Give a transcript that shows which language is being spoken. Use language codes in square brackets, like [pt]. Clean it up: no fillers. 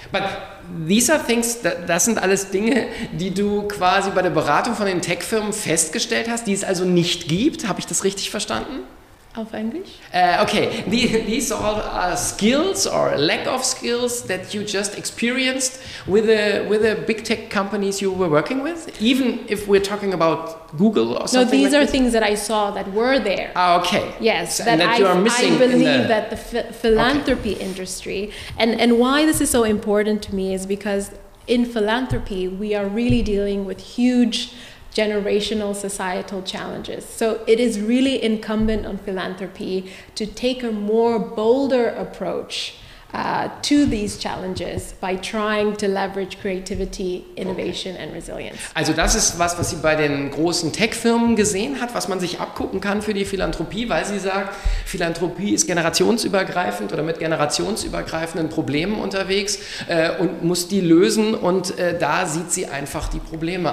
[en] But these are things, [de] das sind alles Dinge, die du quasi bei der Beratung von den Tech-Firmen festgestellt hast, die es also nicht gibt. Habe ich das richtig verstanden? Auf Englisch? Okay. [en] These all are skills or lack of skills that you just experienced with the big tech companies you were working with, even if we're talking about Google or something. No, these like are this? Things that I saw that were there. Ah, okay. Yes, that you are missing. I believe that the philanthropy industry, and why this is so important to me is because in philanthropy we are really dealing with huge generational societal challenges. So it is really incumbent on philanthropy to take a more bolder approach to these challenges by trying to leverage creativity, innovation and resilience. [de] Also das ist was sie bei den großen Tech-Firmen gesehen hat, was man sich abgucken kann für die Philanthropie, weil sie sagt, Philanthropie ist generationsübergreifend oder mit generationsübergreifenden Problemen unterwegs und muss die lösen, und da sieht sie einfach die Probleme.